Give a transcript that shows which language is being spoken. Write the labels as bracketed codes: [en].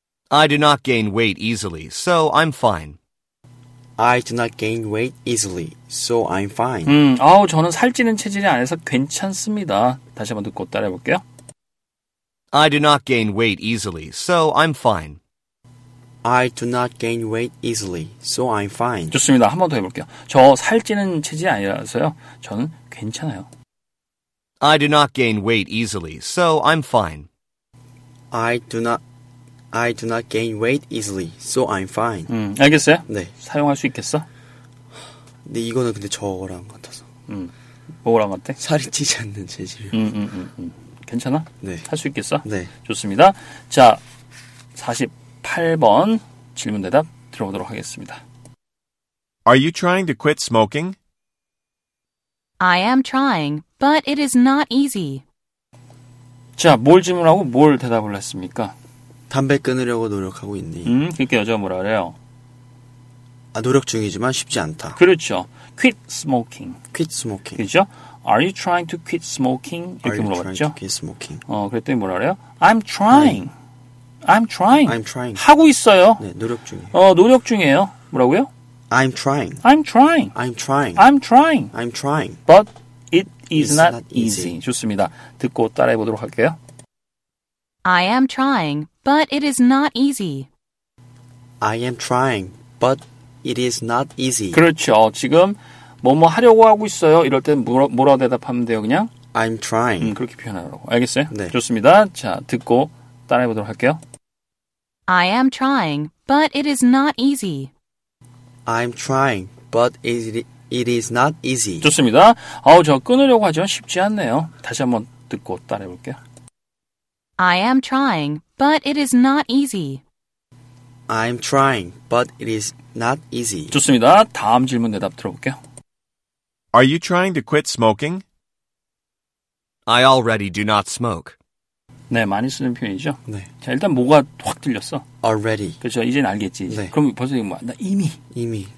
[en] I do not gain weight easily, so I'm fine. I do not gain weight easily, so I'm fine. [ko] 저는 살찌는 체질이 아니라서 괜찮습니다. 다시 한번 듣고 따라해볼게요. [en] I do not gain weight easily, so I'm fine. I do not gain weight easily, so I'm fine. [ko] 좋습니다. 한 번 더 해볼게요. 저 살찌는 체질이 아니라서요. 저는 괜찮아요. [en] I do not gain weight easily, so I'm fine. I do not gain weight easily, so I'm fine. [ko] 알겠어요? 네. 사용할 수 있겠어? 근데 이거는 근데 저거랑 같아서. 뭐랑 같아? 살이 찌지 않는 체질이요. 괜찮아? 네. 할 수 있겠어? 네. 좋습니다. 자, 40. 8번 질문 대답 들어보도록 하겠습니다. [en] Are you trying to quit smoking? I am trying, but it is not easy. [ko] 자, 뭘 질문하고 뭘 대답을 했습니까? 담배 끊으려고 노력하고 있니? 그러니까 여자가 뭐라 그래요? 아, 노력 중이지만 쉽지 않다. 그렇죠. [en] Quit smoking. Quit smoking. [ko] 그렇죠? [en] Are you trying to quit smoking? [ko] 이렇게 [en] Are [ko] 물어봤죠? [en] Are you trying to quit smoking? [ko] 그랬더니 뭐라 그래요? [en] I'm trying. [ko] 네. I'm trying. [en] I'm trying. [ko] 하고 있어요. 네, 노력 중. 노력 중이에요. 뭐라고요? [en] I'm trying. I'm trying. I'm trying. I'm trying. I'm trying. But it is not easy. [ko] 좋습니다. 듣고 따라해 보도록 할게요. [en] I am trying, but it is not easy. I am trying, but it is not easy. [ko] 그렇죠. 지금 뭐뭐 하려고 하고 있어요. 이럴 때 뭐라 대답하면 돼요, 그냥? [en] I'm trying. [ko] 그렇게 표현하라고. 알겠어요? 네. 좋습니다. 자, 듣고 따라해보도록 할게요. [en] I am trying, but it is not easy. I'm trying, but it is not easy. [ko] 좋습니다. 저 끊으려고 하지만 쉽지 않네요. 다시 한번 듣고 따라해볼게요. [en] I am trying, but it is not easy. I'm trying, but it is not easy. [ko] 좋습니다. 다음 질문 대답 들어볼게요. [en] Are you trying to quit smoking? I already do not smoke. [ko] 네, 많이 쓰는 표현이죠. 네. 자, 일단 뭐가 확 들렸어? [en] Already. [ko] 그렇죠. 이제는 알겠지. 네. 그럼 벌써 뭐, 나 이미